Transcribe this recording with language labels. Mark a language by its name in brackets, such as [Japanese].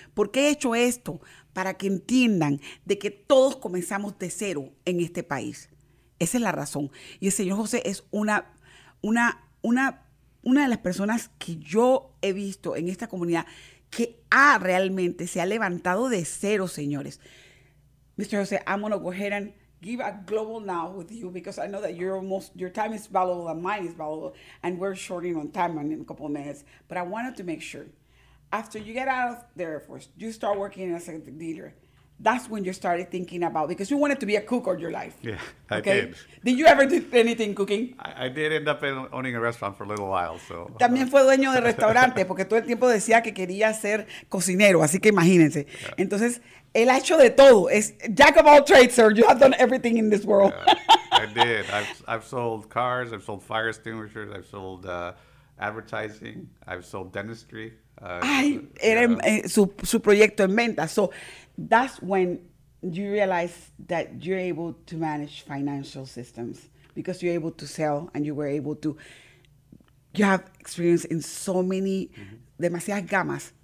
[Spanish] ¿Por qué he hecho esto? Para que entiendan de que todos comenzamos de cero en este país. Esa es la razón. Y el señor José es una de las personas que yo he visto en esta comunidad que realmente se ha levantado de cero, señores. [English] Mr. Jose, I'm going to go ahead and give a global now with you, because I know that your time is valuable and mine is valuable, and we're shorting on time in a couple of minutes. But I wanted to make sure. after you get out of the Air Force, you start working as a dealer. That's when you started thinking about, because you wanted to be a cook all your life. Yeah, I did. Did you ever do anything cooking? I did end up owning a restaurant for a little while, so. [Spanish] También fue dueño de restaurante, porque todo el tiempo decía que quería ser cocinero, así que imagínense. Yeah. Entonces, él ha hecho de todo. [English] Es jack of all trades, sir. You have done everything in this world. Yeah, I did. I've sold cars. I've sold fire extinguishers. I've sold advertising. I've sold dentistry. [Spanish] Su proyecto en venta. [English] So that's when you realize that you're able to manage financial systems because you're able to sell and you were able to, you have experience in so many, [Spanish] demasiadas gamas.